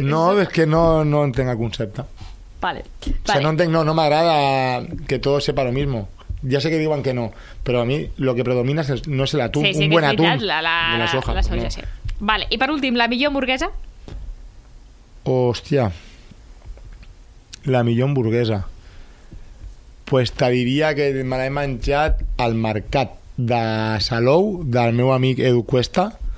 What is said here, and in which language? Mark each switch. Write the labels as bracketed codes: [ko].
[ca] No, és que no entenc el concepte. Vale. [es] O sea, [ca] no entenc, no m'agrada [es] que todo sepa lo mismo. [ca] Ja sé que diuen que no, però a mi [es] lo que predomina [ca] no és el atún, sí, sí, [es] un buen atún. [ca] Sí, sí, la soja, no. Sí. Vale, i per últim, la millor hamburguesa? Hòstia... La millor hamburguesa. Pues te diria que me l'he menjat al mercat de Salou, del meu amic Edu Cuesta.